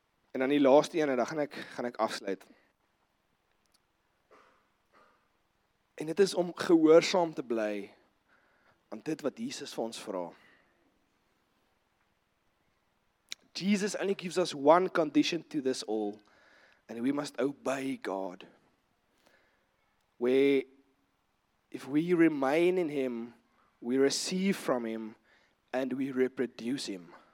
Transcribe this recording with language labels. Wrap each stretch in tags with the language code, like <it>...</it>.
<af>En dan die laaste een en dan gaan ek afsluit. En dit is om gehoorsaam te bly aan dit wat Jesus vir ons vra.</af> <en>Jesus only gives us one condition to this all, and we must obey God. Where if we remain in him, we receive from him and we reproduce him.</en>